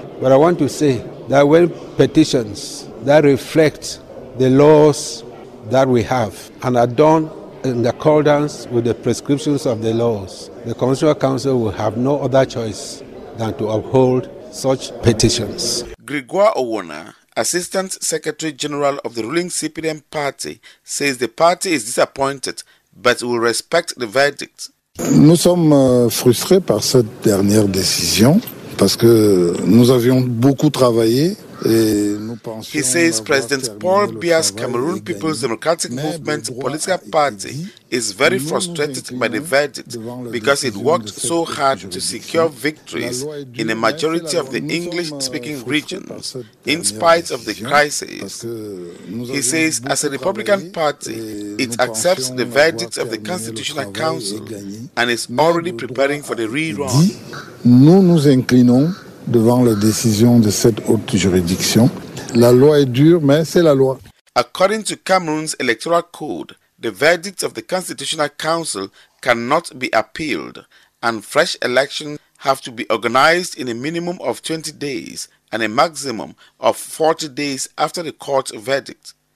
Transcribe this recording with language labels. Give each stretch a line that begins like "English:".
English: But I want to say that when petitions that reflect the laws that we have and are done in accordance with the prescriptions of the laws, the Constitutional Council will have no other choice than to uphold such petitions. Grégoire Owona, Assistant Secretary General of the ruling CPDM party, says the party is disappointed but will respect the verdict.
French: Nous sommes frustrés par cette dernière décision parce que nous avions beaucoup travaillé.
English: He says President Paul Biya's Cameroon People's Democratic Movement political party is very frustrated by the verdict because it worked so hard to secure victories in a majority of the English-speaking regions in spite of the crisis. He says as a Republican party, it accepts the verdict of the Constitutional Council and is already preparing for the rerun.
French: Nous nous inclinons devant la décision de cette haute juridiction. La loi est dure, mais c'est la loi.
English: According to Cameroon's electoral code, the verdict of the Constitutional Council cannot be appealed, and fresh elections have to be organized in a minimum of 20 days and a maximum of 40 days after the court verdict.